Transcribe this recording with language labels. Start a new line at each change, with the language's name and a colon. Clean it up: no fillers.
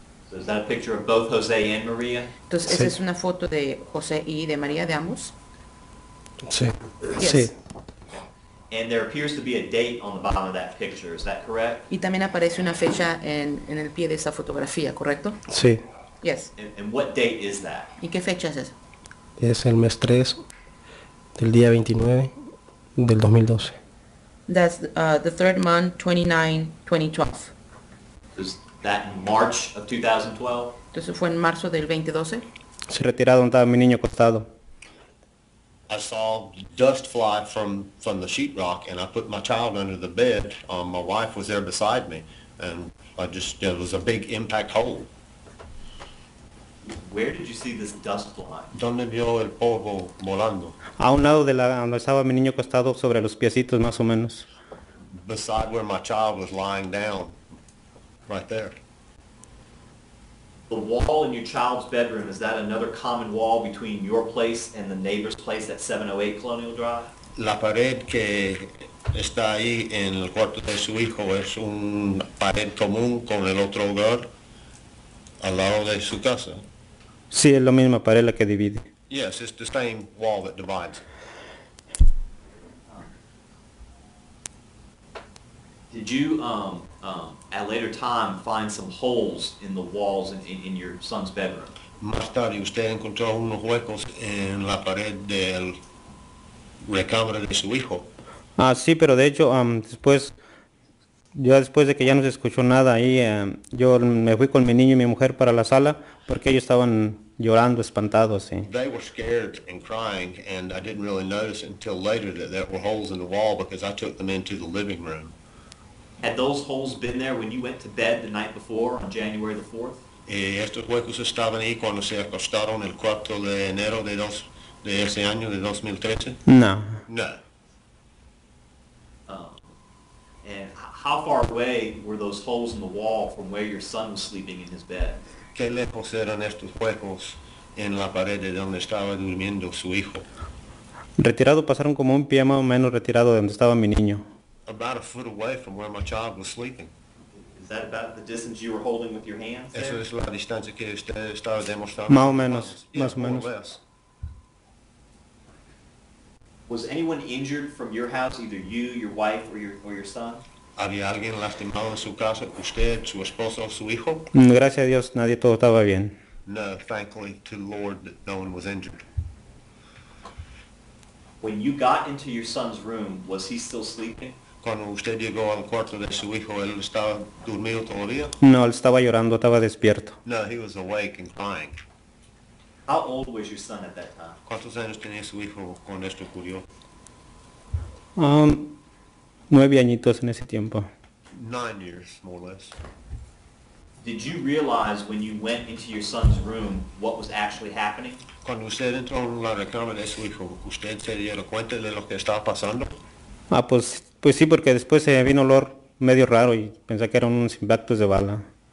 English: So is that a picture of both Jose and Maria?
Spanish: Entonces, sí. Esa es una foto de José y de María, de ambos. Sí.
English: Yes.
Spanish: Sí.
English: And there appears to be a date on the bottom of that picture, is that correct?
Spanish: Y también aparece una fecha en el pie de esa fotografía, ¿correcto? Sí.
English: Yes. And what date is that?
Spanish: ¿Y qué fecha es eso? Es el mes 3 del día 29 del 2012.
English: That's the third month, 29, 2012. Is that in March of 2012?
Spanish: Entonces fue en marzo del 2012. Se retiraron, estaba mi niño acostado.
English: I saw dust fly from the sheetrock and I put my child under the bed. My wife was there beside me. and I just, there was a big impact hole. Where did you see this dust line?
Spanish: ¿Dónde vio el polvo volando? A un lado de la donde estaba mi niño acostado sobre los piecitos más o menos.
English: Beside where my child was lying down, right there. The wall in your child's bedroom, is that another common wall between your place and the neighbor's place at 708 Colonial Drive?
Spanish: La pared que está ahí en el cuarto de su hijo es un pared común con el otro hogar al lado de su casa. Sí, es la misma pared la que divide.
English: Yes, it's the same wall that divides. Did you at later time find some holes in the walls in your son's bedroom?
Spanish: Más tarde usted encontró unos huecos en la pared del recámara de su hijo. Ah, sí, pero de hecho, después, ya después de que ya no se escuchó nada ahí, yo me fui con mi niño y mi mujer para la sala porque ellos estaban llorando, espantados, sí.
English: They were scared and crying, and I didn't really notice until later that there were holes in the wall because I took them into the living room. Had those holes been there when you went to bed the night before on January the 4th?
Spanish: Estos huecos estaban ahí cuando se acostaron el 4 de enero de dos, de ese año, de 2013? No.
English: No. And how far away were those holes in the wall from where your son was sleeping in his bed?
Spanish: ¿Qué lejos eran estos huecos en la pared de donde estaba durmiendo su hijo? Retirado, pasaron como un pie más o menos retirado de donde estaba mi niño.
English: About a foot away from where my child was sleeping. Is that about the distance you were holding with your hands there?
Spanish: Eso es la distancia que usted estaba demostrando. Más o menos, más o menos. Más o menos.
English: Was anyone injured from your house, either you, your wife, or your son?
Spanish: ¿Había alguien lastimado en su casa? ¿Usted, su esposo, su hijo? Gracias a Dios, nadie, todo estaba bien.
English: No, thankfully to the Lord that no one was injured. When you got into your son's room, was he still sleeping?
Spanish: Cuando usted llegó al cuarto de su hijo, ¿él estaba durmiendo todavía? No, él estaba llorando, estaba despierto.
English: No, he was awake and crying. How old was your son at that time?
Spanish: ¿Cuántos años tenía su hijo cuando esto ocurrió? 9 añitos en ese tiempo.
English: 9 years, more or less. Did you realize when you went into your son's room what was actually happening?
Spanish: Cuando usted entró en la recámara de su hijo, ¿usted se dio cuenta de lo que estaba pasando? Ah, pues sí, porque después se vino olor medio raro y pensé que eran unos impactos de bala.